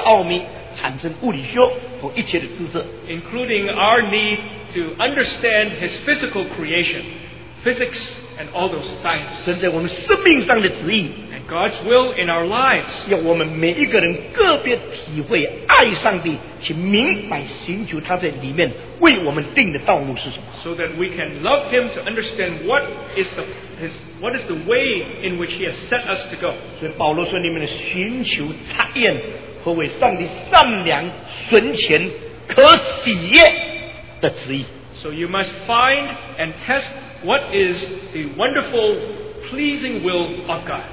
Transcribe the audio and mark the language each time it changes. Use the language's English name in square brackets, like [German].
[Chinese] 包括了要人研究、发展、认识、造的奥秘，产生物理学和一切的知识。 [English] Including our need to understand His physical creation, physics and all those sciences. [Chinese] 神在我们生命上的旨意。 [English] God's will in our lives. [Chinese] 要我们每一个人个别体会爱上帝，去明白寻求他在里面为我们定的道路是什么。 [English] So that we can love Him to understand what is the way in which He has set us to go. [Chinese] 所以保罗说：“你们的寻求、查验和为上帝善良、纯全、可喜悦的旨意。” [English] So you must find and test what is the wonderful, pleasing will of God.